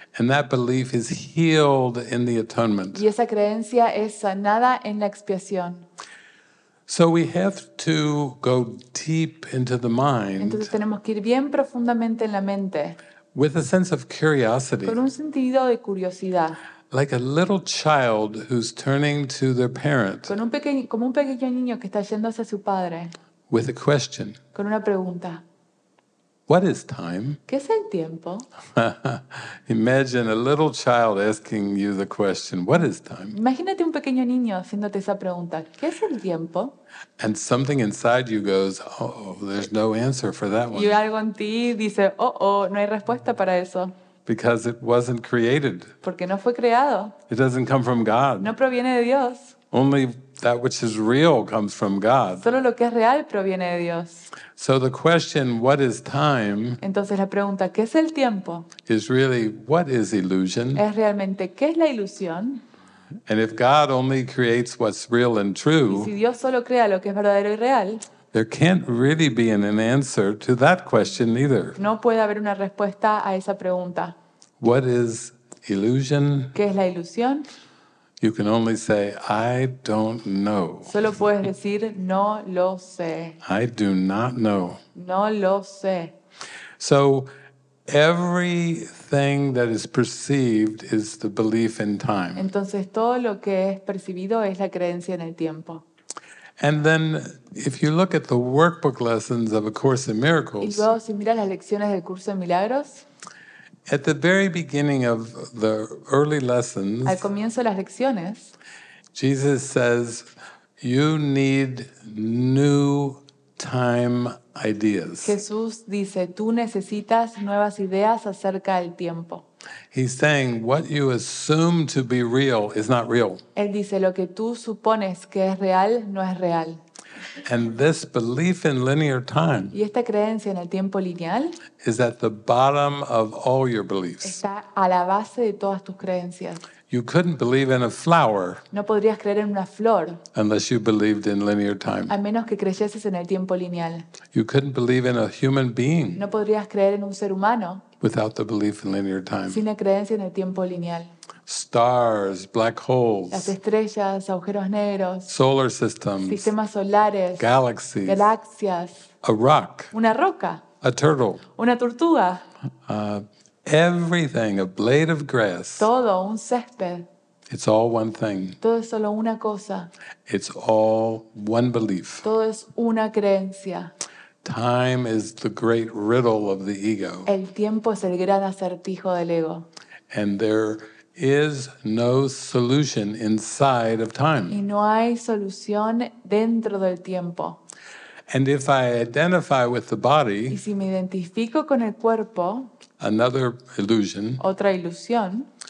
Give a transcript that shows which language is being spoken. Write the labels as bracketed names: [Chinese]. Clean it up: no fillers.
[English] And that belief is healed in the atonement. [Spanish] Y esa creencia es sanada en la expiación. [English] So we have to go deep into the mind. [Spanish] Entonces tenemos que ir bien profundamente en la mente. [English] With a sense of curiosity. [Spanish] Con un sentido de curiosidad. [English] Like a little child who's turning to their parent. [Spanish] Con un pequeño, como un pequeño niño que está yéndose a su padre. [English] With a question. [Spanish] Con una pregunta. [English] What is time? [Spanish] ¿Qué es el tiempo? [English] Imagine a little child asking you the question, what is time? [Spanish] Imagínate un pequeño niño haciéndote esa pregunta, ¿qué es el tiempo? [English] And something inside you goes, oh, there's no answer for that one. [Spanish] Y algo en ti dice, oh, no hay respuesta para eso. [English] Because it wasn't created. [Spanish] Porque no fue creado. [English] It doesn't come from God. [Spanish] No proviene de Dios. [English] Only that which is real comes from God. [Spanish] Solo lo que es real proviene de Dios. [English] So the question, what is time? [Spanish] Entonces la pregunta, ¿qué es el tiempo? [English] Is really, what is illusion? [Spanish] Es realmente, ¿qué es la ilusión? [English] And if God only creates what's real and true, [Spanish] y si Dios solo crea lo que es verdadero y real, [English] there can't really be an answer to that question either. [Spanish] No puede haber una respuesta a esa pregunta. [English] What is illusion? [Spanish] ¿Qué es la ilusión? [English] You can only say, I don't know. [Spanish] Solo puedes decir, no lo sé. [English] I do not know. [Spanish] No lo sé. [English] So, everything that is perceived is the belief in time. [Spanish] Entonces, todo lo que es percibido es la creencia en el tiempo. [English] And then, if you look at the workbook lessons of A Course in Miracles, [Spanish] y luego, si miras las lecciones del curso de milagros, [English] at the very beginning of the early lessons, [Spanish] al comienzo de las lecciones, [English] Jesus says, you need new time ideas. [Spanish] Jesús dice, tú necesitas nuevas ideas acerca del tiempo. [English] He's saying, what you assume to be real is not real. [Spanish] Él dice, lo que tú supones que es real, no es real. [English] And this belief in linear time, [Spanish] y esta creencia en el tiempo lineal, [English] is at the bottom of all your beliefs. [Spanish] Está a la base de todas tus creencias. [English] You couldn't believe in a flower, [Spanish] no podrías creer en una flor, [English] unless you believed in linear time. [Spanish] A menos que creyeses en el tiempo lineal. [English] You couldn't believe in a human being, [Spanish] no podrías creer en un ser humano, [English] without the belief in linear time. [Spanish] Sin la creencia en el tiempo lineal. [English] Stars, black holes, [Spanish] las estrellas, agujeros negros, [English] solar systems, [Spanish] sistemas solares, [English] galaxies, [Spanish] galaxias, [English] a rock, [Spanish] una roca, [English] a turtle, [Spanish] una tortuga, [English] everything, a blade of grass, [Spanish] todo, un césped. [English] It's all one thing. [Spanish] Todo es solo una cosa. [English] It's all one belief. [Spanish] Todo es una creencia. [English] Time is the great riddle of the ego. [Spanish] El tiempo es el gran acertijo del ego. [English] And there is no solution inside of time. [Spanish] Y no hay solución dentro del tiempo. [English] And if I identify with the body, [Spanish] y si me identifico con el cuerpo, [English] another illusion. [Spanish] Otra ilusión.